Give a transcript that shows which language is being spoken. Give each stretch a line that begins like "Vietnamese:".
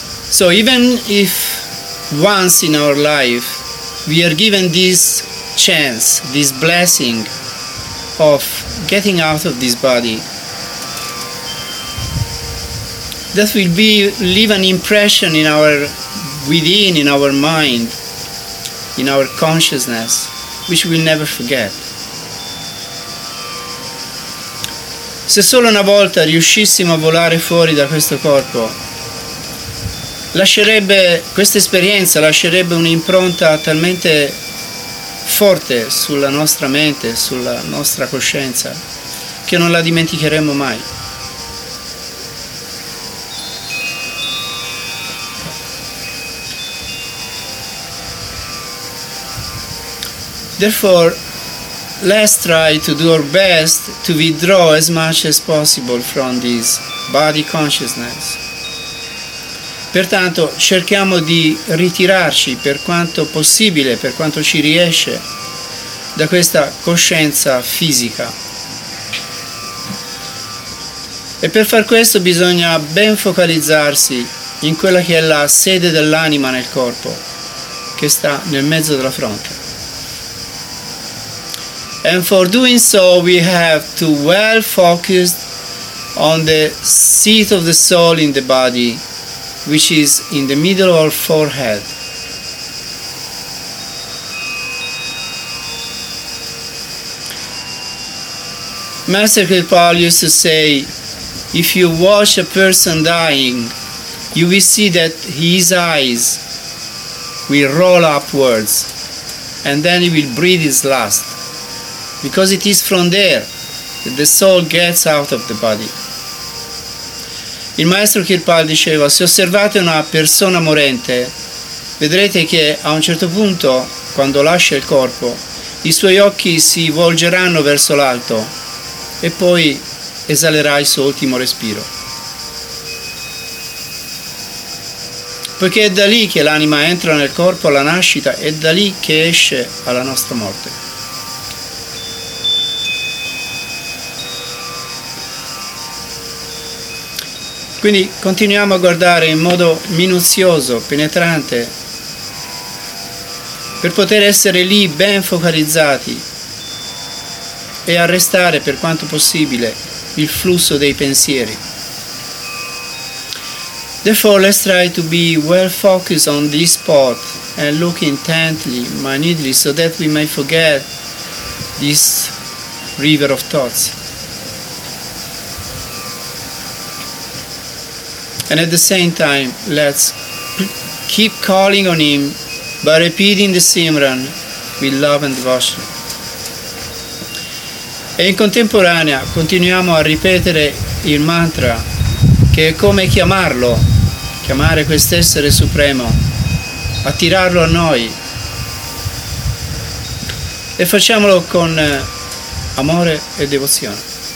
English: So even if once in our life we are given this chance, this blessing of getting out of this body, that will be leave an impression in our within, in our mind, in our consciousness, which we'll never forget.
Italian: Se solo una volta riuscissimo a volare fuori da questo corpo, lascerebbe questa esperienza lascerebbe un'impronta talmente forte sulla nostra mente, sulla nostra coscienza, che non la dimenticheremo mai.
English: Therefore, let's try to do our best to withdraw as much as possible from this body consciousness.
Italian: Pertanto, cerchiamo di ritirarci per quanto possibile, per quanto ci riesce, da questa coscienza fisica. E per far questo bisogna ben focalizzarsi in quella che è la sede dell'anima nel corpo, che sta nel mezzo della fronte.
English: And for doing so, we have to well focus on the seat of the soul in the body, which is in the middle of our forehead. Master Kripal used to say, if you watch a person dying, you will see that his eyes will roll upwards, and then he will breathe his last. Because it is from there that the soul gets out of the body.
Italian: Il maestro Kirpal diceva, se osservate una persona morente, vedrete che a un certo punto, quando lascia il corpo, i suoi occhi si volgeranno verso l'alto e poi esalerà il suo ultimo respiro. poiché è da lì che l'anima entra nel corpo alla nascita e da lì che esce alla nostra morte. Quindi continuiamo a guardare in modo minuzioso, penetrante, per poter essere lì ben focalizzati e arrestare per quanto possibile il flusso dei pensieri.
English: Therefore, let's try to be well focused on this spot and look intently, minutely, so that we may forget this river of thoughts. And at the same time, let's keep calling on Him by repeating the Simran with love and devotion.
Italian: E in contemporanea continuiamo a ripetere il mantra, che è come chiamarlo, chiamare quest'essere supremo, attirarlo a noi. E facciamolo con amore e devozione.